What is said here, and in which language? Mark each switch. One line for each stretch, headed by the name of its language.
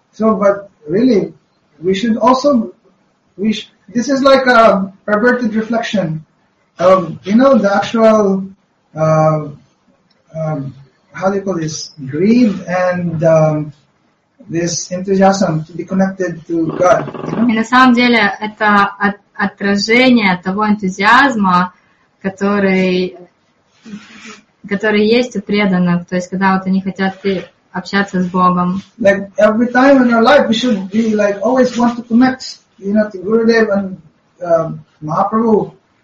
English: So, but really, we should also, this is like a perverted reflection. You know, the actual, how do you call this, greed and this enthusiasm to be connected to God.
Russian: И на самом деле это отражение того энтузиазма, который есть у преданных, то есть когда вот они хотят общаться с Богом.
English: Like every time in our life we should be like always want to connect, you know, to Gurudev and Mahaprabhu.